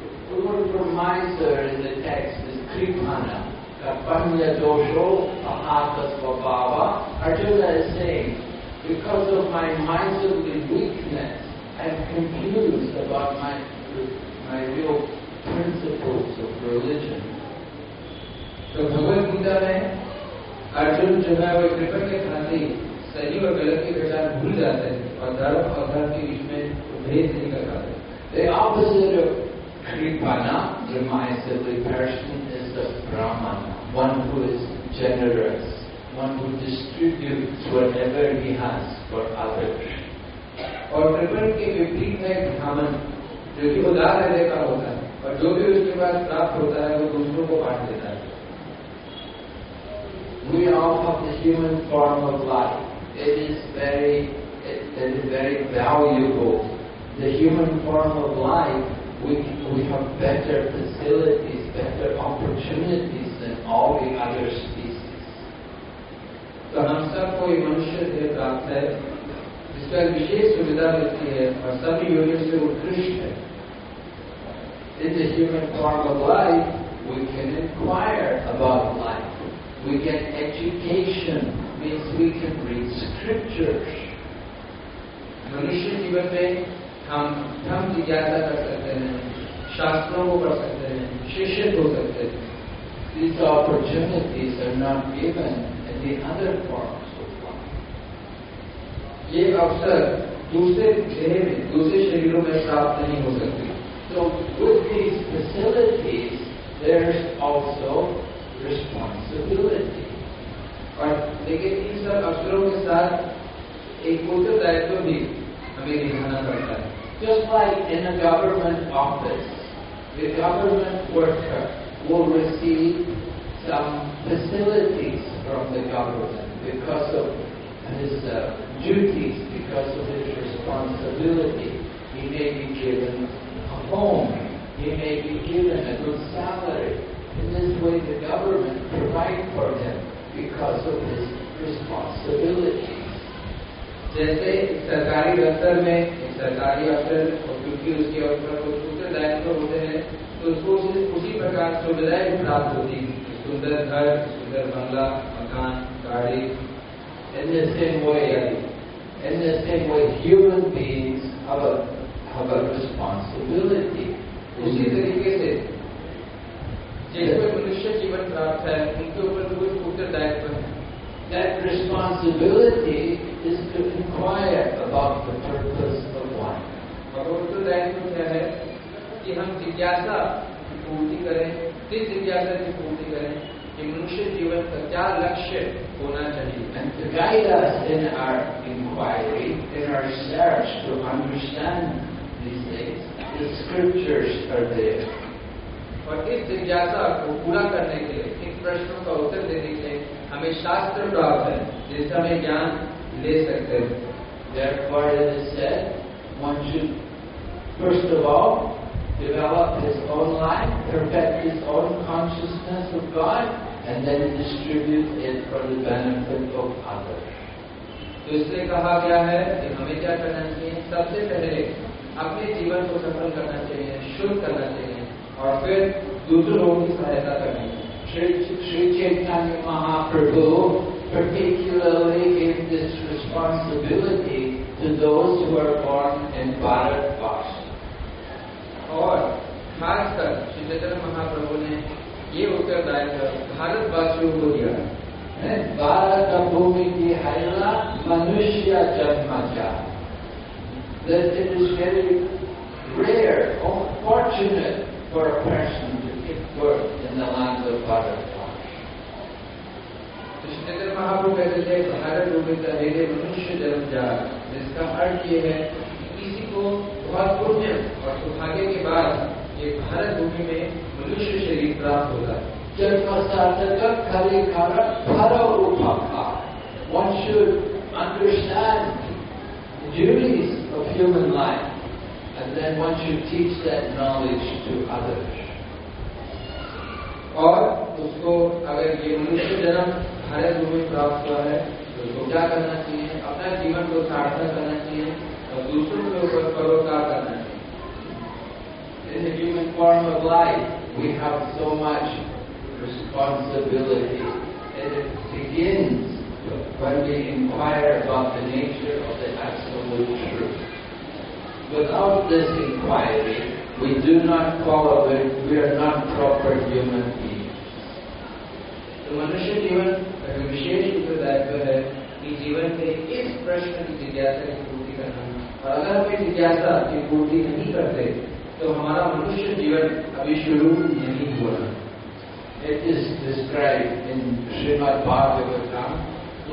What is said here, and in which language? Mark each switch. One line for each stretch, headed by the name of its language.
English: The word for miser in the text is kripana.
Sanskrit: Kapanya dosho ahata svabhava.
English: Arjuna is saying, because of my miserly weakness, I'm confused about my real principles of religion.
Hindi: So Bhagavad Gita mein,
Sanskrit: Arjuna janai wa kripanya khandi,
Hindi: सही और गलत की पहचान भूल जाते हैं और धर्म और धर्म के बीच में भेद नहीं कर पाते.
English: The opposite of kripana, the miserly person, is the brahmana, one who is generous, one who distributes whatever he has for others.
Hindi: और कृपण के विपरीत में ब्राह्मण जो कि उदार हृदय का होता है और जो भी उसके पास प्राप्त होता है वो दूसरों को बांट देता है.
English: We all have the human form of life. It is very valuable. The human form of life, we have better facilities, better opportunities than all the other species.
Hindi: तो हम सब को ये मनुष्य देह प्राप्त है जिसका विशेष सुविधा मिलती है और सभी योनियों से उत्कृष्ट है.
English: In the human form of life, we can inquire about life. We get education. Means we can read scriptures.
Hindi: मनुष्य जीवन में हम धर्म जिज्ञासा कर सकते हैं, शास्त्रों को पढ़ सकते हैं, शिक्षित हो सकते हैं.
English: These opportunities are not given in the other forms of life.
Hindi: ये अवसर दूसरे देह में दूसरे शरीरों में प्राप्त नहीं हो सकते.
English: So with these facilities, there's also responsibility.
Hindi: और लेकिन इन सब अवसरों के साथ एक उत्तरदायित्व भी हमें निभाना पड़ता है.
English: Just like in a government office the government worker वो receive some facilities from the government because of his duties because of his responsibility. He may be given a home, he may be given a good salary. In this way the government provide for him because of his responsibilities.
Hindi: जैसे सरकारी दफ्तर में सरकारी अफसर और क्योंकि उसके अवसर को सुंदर दायित्व होते हैं तो उसको उसी प्रकार सुविधाएं भी प्राप्त होती है. सुंदर घर, सुंदर बंगला, मकान, गाड़ी.
English: In the same way, human beings have a responsibility.
Hindi: उसी तरीके से जिसको मनुष्य जीवन प्राप्त है उनके ऊपर तो कुछ उत्तरदायित्व है.
English: That responsibility is to inquire about the purpose of life.
Hindi: और उत्तरदायित्व क्या है कि हम जिज्ञासा की पूर्ति करें, किस जिज्ञासा की पूर्ति करें कि मनुष्य जीवन का क्या लक्ष्य होना चाहिए.
English: And to guide us in our inquiry, in our search to understand these things, the scriptures are there.
Hindi: और इस जिज्ञासा को पूरा करने के लिए, इन प्रश्नों का उत्तर देने के लिए हमें शास्त्र प्राप्त है जिससे हमें ज्ञान ले सकते हैं.
English: Therefore, it is said, one should first of all develop his own life, perfect his own consciousness of God, and then distribute it for the benefit of others.
Hindi: तो इससे कहा गया है कि हमें क्या करना चाहिए, सबसे पहले अपने जीवन को सफल करना चाहिए, शुद्ध करना चाहिए, और फिर दूसरों की सहायता करनी है.
English: Sri Chaitanya Mahaprabhu particularly gave this responsibility to those who were born in Bharat Vasa.
Hindi: और खासकर श्री चैतन्य महाप्रभु ने ये उत्तरदायित्व भारत वासियों को दिया है.
Bangla: भारत भूमि की हरियाणा मनुष्य जन्म जा.
English: That it is very rare or fortunate for a person to give birth in the land of Bharat.
Hindi: Chaitanya Mahaprabhu कहते थे
Bangla: भारत भूमि का धैर्य मनुष्य जन्म जा,
Hindi: जिसका अर्थ ये है कि किसी को बहुत पुण्य और सौभाग्य के बाद ये भारत भूमि में मनुष्य शरीर प्राप्त होगा.
Bangla: जन्म सार्थक खरे खरा फल रूप का.
English: One should understand the duties of human life and then one should teach that knowledge to others.
Hindi: और उसको अगर ये मनुष्य जन्म भारत भूमि प्राप्त हुआ है तो उसको क्या करना चाहिए, अपना जीवन को सार्थक करना चाहिए और दूसरों के ऊपर परोपकार करना चाहिए.
English: In the human form of life, we have so much responsibility. And it begins when we inquire about the nature of the absolute truth. Without this inquiry, we do not follow it, we are not proper human beings.
Hindi: तो मनुष्य जीवन का विशेष उत्तरदायित्व है कि जीवन के इस प्रश्न की जिज्ञासा की पूर्ति करना. और अगर हम जिज्ञासा की पूर्ति नहीं करते तो हमारा मनुष्य जीवन अभी शुरू नहीं हुआ.
English: It is described in Srimad Bhagavatam.